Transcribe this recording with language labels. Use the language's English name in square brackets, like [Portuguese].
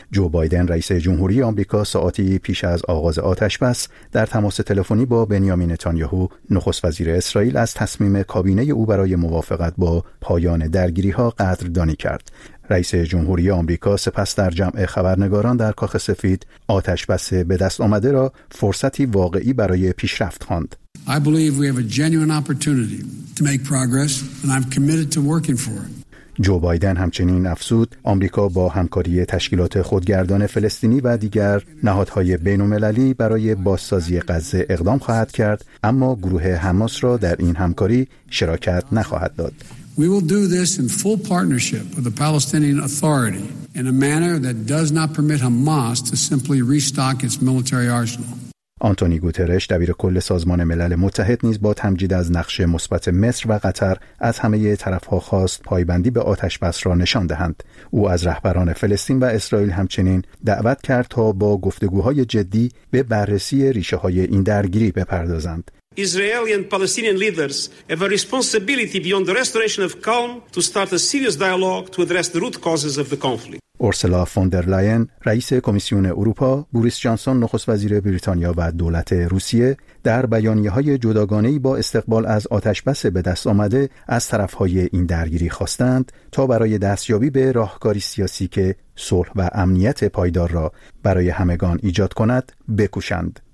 [Persian] جو بایدن، رئیس جمهوری آمریکا، ساعتی پیش از آغاز آتش‌بس در تماس تلفنی با بنیامین نتانیاهو، نخست وزیر اسرائیل، از تصمیم کابینه او برای موافقت با پایان درگیری‌ها قدردانی کرد. رئیس جمهوری آمریکا سپس در جمع خبرنگاران در کاخ سفید، آتش‌بس به دست آمده را فرصتی واقعی برای پیشرفت خواند. [English] I believe we have a genuine opportunity to make progress and I'm committed to working for it. [Persian] جو بایدن همچنین افزود، آمریکا با همکاری تشکیلات خودگردان فلسطینی و دیگر نهادهای بین‌المللی برای بازسازی غزه اقدام خواهد کرد، اما گروه حماس را در این همکاری شراکت نخواهد داد. [English] We will do this in full partnership with the Palestinian Authority in a manner that does not permit Hamas to simply restock its military arsenal. [Persian] آنتونی گوترش، دبیر کل سازمان ملل متحد، نیز با تمجید از نقش مثبت مصر و قطر از همه طرف‌ها خواست پایبندی به آتش‌بس را نشان دهند. او از رهبران فلسطین و اسرائیل همچنین دعوت کرد تا با گفتگوهای جدی به بررسی ریشه‌های این درگیری بپردازند. [English] Israeli and Palestinian leaders have a responsibility beyond the restoration of calm to start a serious dialogue to address the root causes of the conflict. [Persian] اورسولا فون در لاین، رئیس کمیسیون اروپا، بوریس جانسون، نخست وزیر بریتانیا و دولت روسیه در بیانیه‌های جداگانه‌ای با استقبال از آتش‌بس به دست آمده از طرف‌های این درگیری خواستند تا برای دستیابی به راهکاری سیاسی که صلح و امنیت پایدار را برای همگان ایجاد کند بکوشند.